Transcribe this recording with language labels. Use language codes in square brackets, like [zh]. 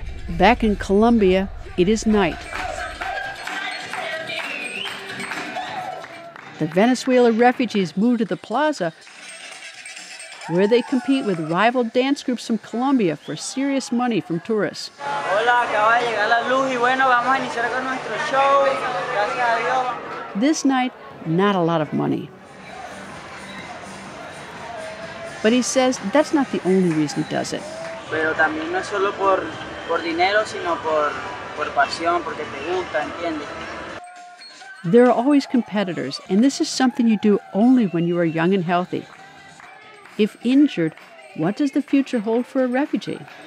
[en] Back in Colombia, it is night. The Venezuelan refugees move to the plaza, where they compete with rival dance groups from Colombia for serious money from tourists. [es] Hola, acaba de llegar la luz y bueno, vamos a iniciar con nuestro show. Gracias a Dios. [en] This night, not a lot of money. But he says that's not the only reason he does it. [es] Pero también no es solo por dinero, sino por pasión, porque te gusta, ¿entiendes? [en] There are always competitors, and this is something you do only when you are young and healthy. If injured, what does the future hold for a refugee?